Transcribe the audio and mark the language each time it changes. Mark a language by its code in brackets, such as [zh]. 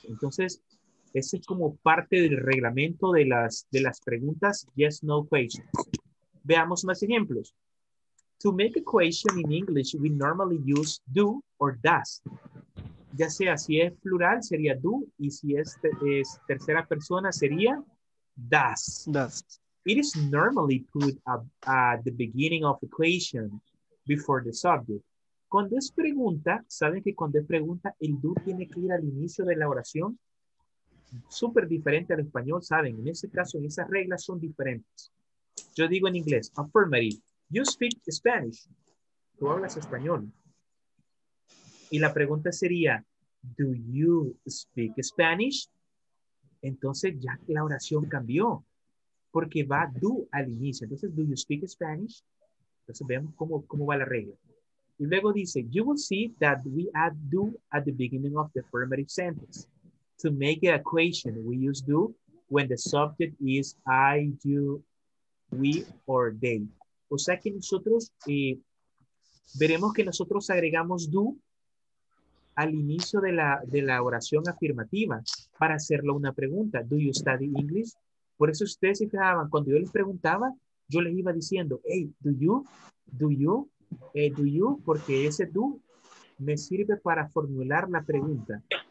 [es] Entonces, ese es como parte del reglamento de las preguntas [en] yes, no questions. [es] Veamos más ejemplos. [en] To make a question in English, we normally use do or does. [es] Ya sea, si es plural, sería do. Y si es, es tercera persona, sería does. [en] Does. It is normally put at the beginning of the question before the subject. [es] Cuando es pregunta, ¿saben que cuando es pregunta, el do tiene que ir al inicio de la oración? Súper diferente al español, ¿saben? En ese caso, en esas reglas son diferentes. Yo digo en inglés, [en] affirmative. You speak Spanish. [es] Tú hablas español. Y la pregunta sería, [en] do you speak Spanish? [es] Entonces ya la oración cambió. Porque va do al inicio. Entonces, [en] do you speak Spanish? [es] Entonces veamos cómo, cómo va la regla. Y luego dice, [en] you will see that we add do at the beginning of the affirmative sentence. To make a question, we use do when the subject is I, you, we, or they. [es] O sea que nosotros veremos que nosotros agregamos do al inicio de la oración afirmativa para hacerlo una pregunta. [en] Do you study English? [es] Por eso ustedes se fijaban, cuando yo les preguntaba, yo les iba diciendo, hey, do you, do you, do you, porque ese do me sirve para formular la pregunta.